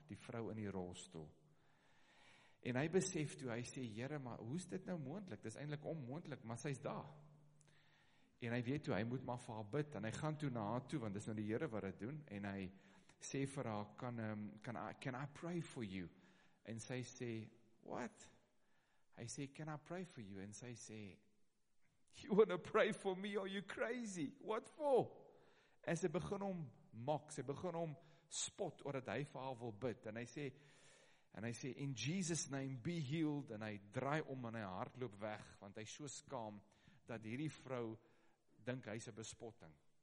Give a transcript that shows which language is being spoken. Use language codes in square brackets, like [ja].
[af] Die vrou in die rolstoel. En hy besef toe, hy sê, Here, maar hoe is dit nou moontlik? Dis eintlik onmoontlik, maar sy is daar. En hy weet toe, hy moet maar vir haar bid, en hy gaan toe na haar toe, want dis nou die Here wat dit doen, en hy sê vir haar, [en] can I pray for you? [af] En sy sê, [en] what? [af] Hy sê, [en] can I pray for you? [af] En sy sê, [en] you want to pray for me? Are you crazy? What for? [af] En sy begin om mok, sy begin om spot, oor dat hy vir haar wil bid. En hy sê, [en] in Jesus name, be healed. [af] En hy draai om en hy hardloop weg, want hy is so skaam, dat hierdie vrou, dink hy is 'n bespotting.